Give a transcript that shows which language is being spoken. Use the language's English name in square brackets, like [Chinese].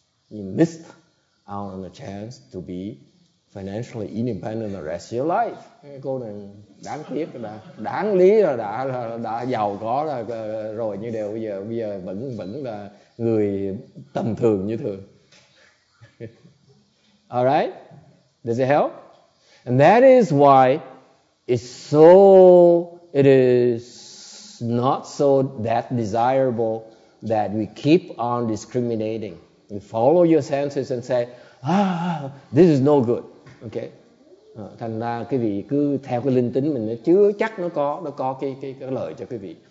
[English] You missed out on the chance to be financially independent the rest of your life. [Vietnamese] Cô này đáng tiếc là đáng lý là đã giàu có rồi như đều bây giờ vẫn là người tầm thường như thường. [English] All right? Does it help? And that is why it is not so that desirable that we keep on discriminating. You follow your senses and say, this is no good. Okay? [Vietnamese] Thành ra quý vị cứ theo cái linh tính mình nó chưa chắc nó có cái lợi cho quý vị.